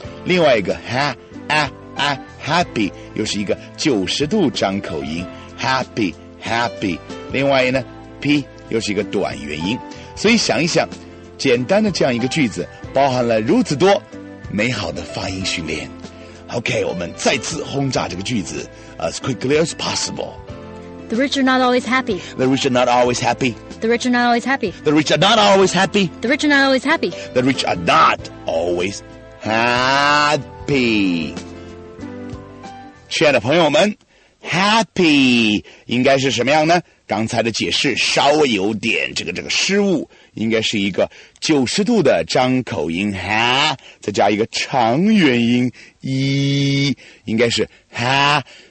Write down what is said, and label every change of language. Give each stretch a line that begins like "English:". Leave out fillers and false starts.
Chinese: 另外一个 ha, a, a, happy 又是一个九十度张口音 happyHappy 另外呢 P 又是一个短元音所以想一想简单的这样一个句子包含了如此多美好的发音训练 OK 我们再次轰炸这个句子
English: As quickly as possible The rich are not always happy The rich are not always happy The rich are not always happy The rich are not always happy The rich are not always happy The rich are not always happy
Chinese: 亲爱的朋友们Happy 应该是什么样呢刚才的解释稍微有点这个失误应该是一个九十度的张口音 ha 再加一个长元音 e 应该是 happy